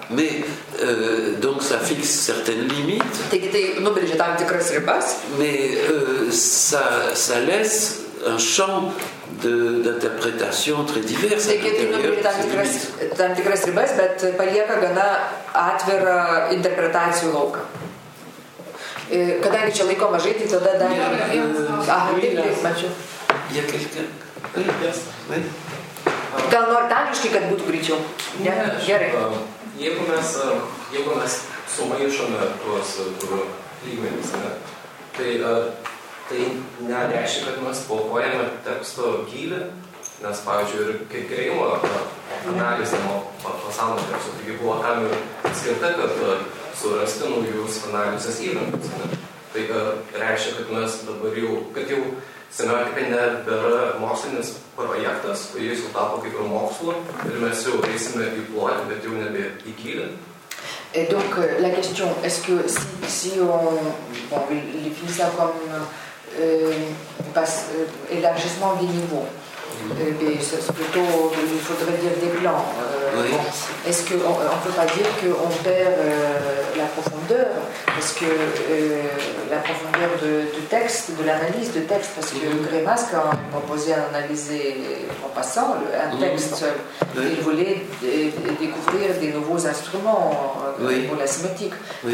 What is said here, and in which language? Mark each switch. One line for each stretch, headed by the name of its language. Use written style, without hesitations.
French: Mais, donc, ça fixe certaines limites.
Lithuanian: Taigi, tai nubrėžia tam tikras ribas.
French: Mais, ça laisse un champ d'interprétation très divers.
Lithuanian: Taigi, tai nubrėžia tam tikras ribas, bet palieka gana atvirą interpretacijų lauką. Kadangi čia laiko mažai, tai tada dar... Gal nori angliškai, kad būtų greičiau? Ne, gerai. Jeigu mes sumaišome tuos lygmenys, tai nereiškia, kad mes paukojame teksto gylį, nes, pavyzdžiui, ir kaip Greimo analizė pasaulio teksto, taigi buvo tam ir skirta, kad surasti naujus analizės įrankus. Tai reiškia, kad mes dabar jau, kad jau semiotika nebėra mokslinis projektas, kai jis jau tapo kaip ir mokslo, ir mes jau eisime į plotį, bet jau nebė į gylį.
French: Et donc, la question, est-ce que si on le fait ça comme élargissement des niveaux, c'est plutôt, il faudrait dire des plans. Oui. Bon, est-ce qu'on ne peut pas dire qu'on perd la profondeur, parce que la profondeur de texte, de l'analyse de texte, parce que Grimas, quand on proposait d'analyser en passant un texte, il voulait découvrir des nouveaux instruments pour la sémiotique. Oui.